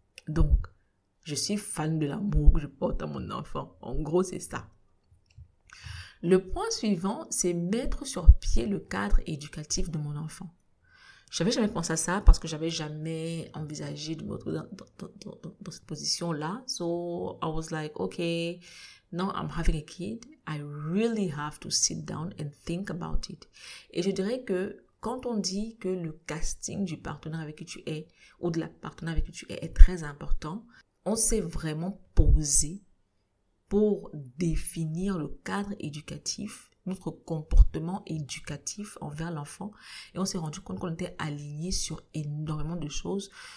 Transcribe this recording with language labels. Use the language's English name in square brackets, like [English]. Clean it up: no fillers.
[French] Donc, je suis fan de l'amour que je porte à mon enfant. En gros, c'est ça. Le point suivant, c'est mettre sur pied le cadre éducatif de mon enfant. Je n'avais jamais pensé à ça parce que je n'avais jamais envisagé de me retrouver dans cette position-là. [English] So, I was like, okay, now I'm having a kid. I really have to sit down and think about it. [French] Et je dirais que quand on dit que le casting du partenaire avec qui tu es ou de la partenaire avec qui tu es est très important, on s'est vraiment posé pour définir le cadre éducatif notre comportement éducatif envers l'enfant et on s'est rendu compte qu'on était aligné sur énormément de choses.